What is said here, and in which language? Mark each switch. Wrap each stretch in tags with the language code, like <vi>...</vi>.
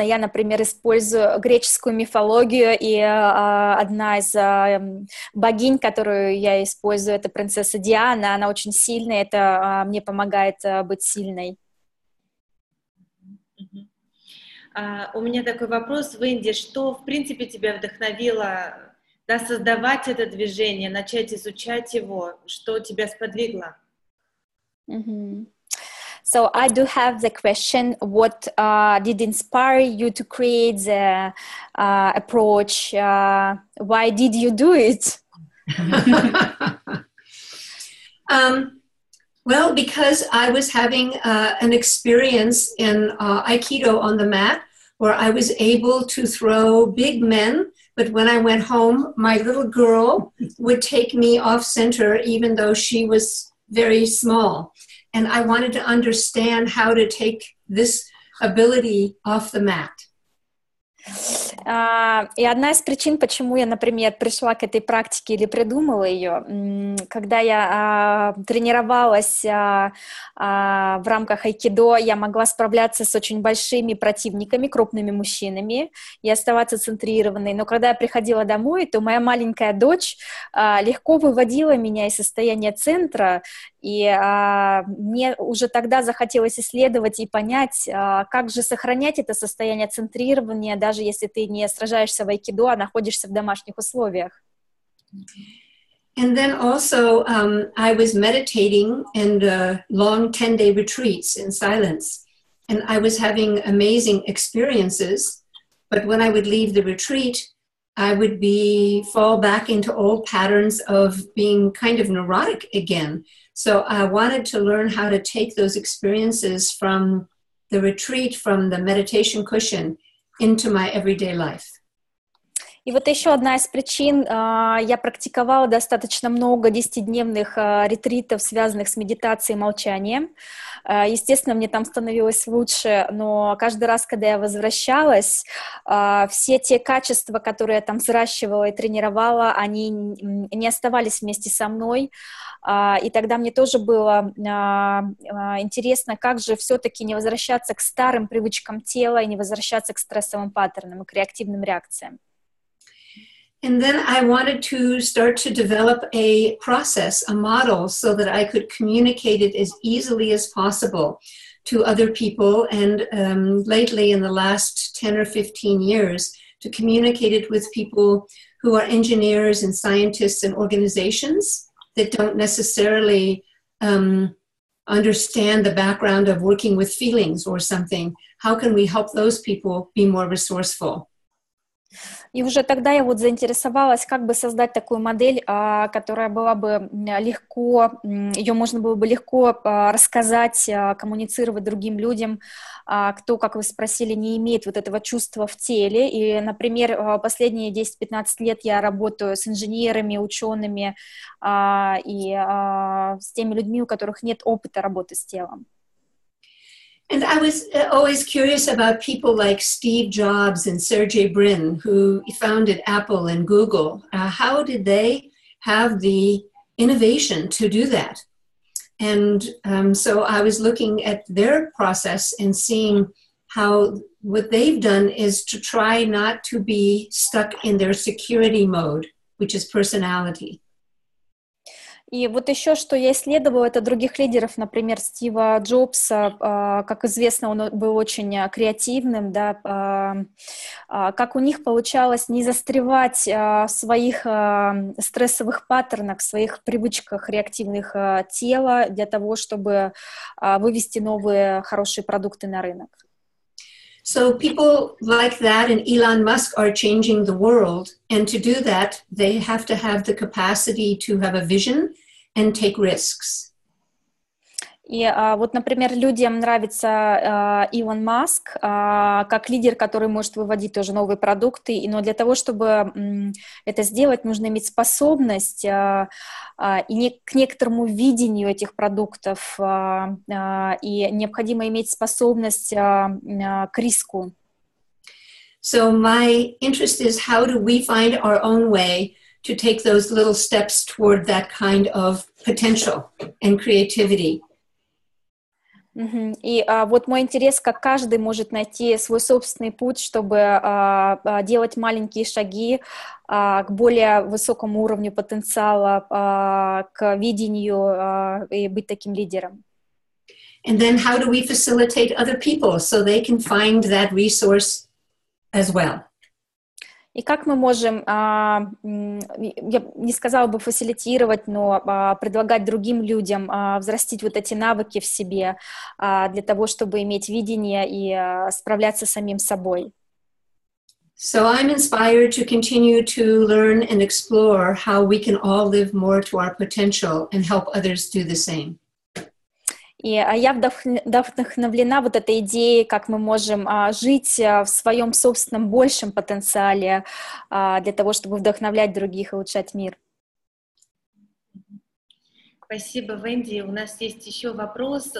<ru>Я, например, использую греческую мифологию, и одна из богинь, которую я использую, это принцесса Диана, она очень сильная, это мне помогает быть сильной. У меня такой вопрос, Венди, что, в принципе, тебя вдохновило, да, создавать это движение, начать изучать его, что тебя сподвигло? Mm-hmm.</ru> <en>So I do have the question, what did inspire you to create the approach? Why did you do it? Well, because I was having an experience in Aikido on the mat, where I was able to throw big men, but when I went home, my little girl would take me off center, even though she was very small. And I wanted to understand how to take this ability off the mat.</en> <ru>И одна из причин, почему я, например, пришла к этой практике или придумала ее, когда я тренировалась в рамках айкидо, я могла справляться с очень большими противниками, крупными мужчинами, и оставаться центрированной. Но когда я приходила домой, то моя маленькая дочь легко выводила меня из состояния центра, и мне уже тогда захотелось исследовать и понять, как же сохранять это состояние центрирования, даже если ты не сражаешься в айкидо, а находишься в домашних условиях.</ru> <en>And then also, I was meditating in the long 10-day retreats in silence, and I was having amazing experiences. But when I would leave the retreat, I would fall back into old patterns of being kind of neurotic again. So I wanted to learn how to take those experiences from the retreat, from the meditation cushion, into my everyday life.</en> <ru>И вот еще одна из причин, я практиковала достаточно много 10-дневных ретритов, связанных с медитацией и молчанием. Естественно, мне там становилось лучше, но каждый раз, когда я возвращалась, все те качества, которые я там взращивала и тренировала, они не оставались вместе со мной. И тогда мне тоже было интересно, как же все-таки не возвращаться к старым привычкам тела и не возвращаться к стрессовым паттернам и к реактивным реакциям.</ru> <en>And then I wanted to start to develop a process, a model, so that I could communicate it as easily as possible to other people. And lately, in the last 10 or 15 years, to communicate it with people who are engineers and scientists and organizations that don't necessarily understand the background of working with feelings or something. How can we help those people be more resourceful?</en> <ru>И уже тогда я вот заинтересовалась, как бы создать такую модель, которая была бы легко, ее можно было бы легко рассказать, коммуницировать другим людям, кто, как вы спросили, не имеет вот этого чувства в теле. И, например, последние 10-15 лет я работаю с инженерами, учеными и с теми людьми, у которых нет опыта работы с телом.</ru> <en>And I was always curious about people like Steve Jobs and Sergey Brin, who founded Apple and Google. How did they have the innovation to do that? And so I was looking at their process and seeing how what they've done is to try not to be stuck in their security mode, which is personality.</en> <ru>И вот еще, что я исследовала, это других лидеров, например, Стива Джобса. Как известно, он был очень креативным, да, как у них получалось не застревать в своих стрессовых паттернах, в своих привычках реактивных тела для того, чтобы вывести новые хорошие продукты на рынок.</ru> <en>So people like that and Elon Musk are changing the world. And to do that, they have to have the capacity to have a vision and take risks.</en> <ru>И вот, например, людям нравится Илон Маск как лидер, который может выводить тоже новые продукты. Но для того, чтобы это сделать, нужно иметь способность к некоторому видению этих продуктов и необходимо иметь способность к риску.</ru> <en>So my interest is how do we find our own way to take those little steps toward that kind of potential and creativity. Mm-hmm.</en> <ru>И вот мой интерес, как каждый может найти свой собственный путь, чтобы делать маленькие шаги к более высокому уровню потенциала, к видению и быть таким лидером.</ru> <en>And then how do we facilitate other people so they can find that resource as well?</en> <ru>И как мы можем, я не сказала бы фасилитировать, но предлагать другим людям взрастить вот эти навыки в себе для того, чтобы иметь видение и справляться с самим собой.</ru> <en>So I'm inspired to continue to learn and explore how we can all live more to our potential and help others do the same.</en> <ru>И я вдохновлена вот этой идеей, как мы можем жить в своем собственном большем потенциале для того, чтобы вдохновлять других и улучшать мир. Спасибо, Венди. У нас есть еще вопрос.</ru>